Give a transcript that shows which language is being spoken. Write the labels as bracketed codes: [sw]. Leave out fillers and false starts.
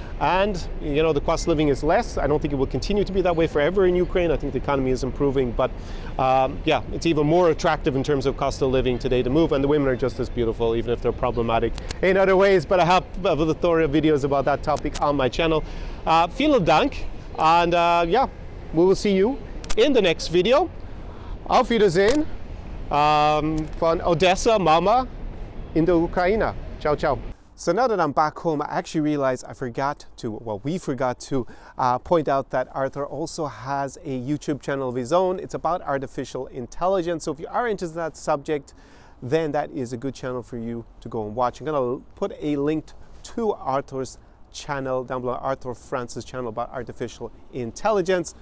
[en] And, you know, the cost of living is less. I don't think it will continue to be that way forever in Ukraine. I think the economy is improving, but yeah, it's even more attractive in terms of cost of living today to move. And the women are just as beautiful, even if they're problematic in other ways. But I have the Thoria videos about that topic on my channel. [de] Vielen Dank. [en] And yeah, we will see you in the next video. [de] Auf Wiedersehen von Odessa, Mama, in der Ukraine. [it] Ciao, ciao. [en] So now that I'm back home, I actually realize I forgot to, well, we forgot to point out that Arthur also has a YouTube channel of his own. It's about artificial intelligence. So if you are interested in that subject, then that is a good channel for you to go and watch. I'm gonna put a link to Arthur's channel down below, Arthur France's channel about artificial intelligence.